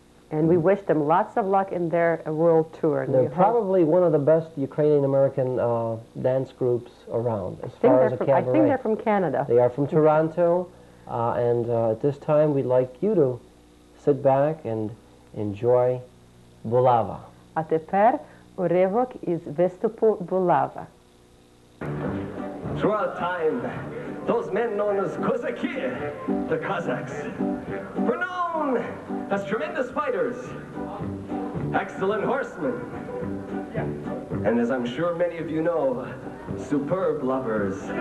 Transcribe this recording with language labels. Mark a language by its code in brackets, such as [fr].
[en] And we wish them lots of luck in their world tour. They're probably one of the best Ukrainian-American dance groups around, as far as a cabaret. I think they're from Canada. They are from Toronto. And at this time, we'd like you to sit back and enjoy Булава. [uk] А тепер уривок із виступу Булава. [en] Throughout time, those men known as Kozaki, the Cossacks, were known as tremendous fighters, excellent horsemen, and as I'm sure many of you know, superb lovers.